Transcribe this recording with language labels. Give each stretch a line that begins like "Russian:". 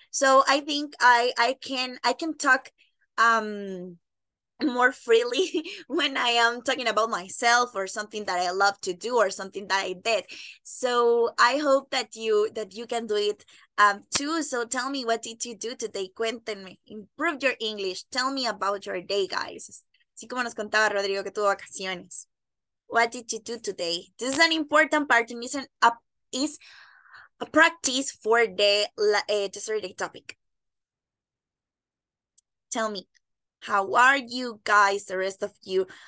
English: So I think I can talk more freely when I am talking about myself or something that I love to do or something that I did. So I hope that you can do it too. So tell me, what did you do today?
Spanish: Cuéntenme.
English: Improve your English. Tell me about your day, guys.
Spanish: Así como nos contaba Rodrigo que tuvo vacaciones.
English: What did you do today? This is an important part and is a practice for the dissertation topic. Tell me. How are you guys, the rest of you?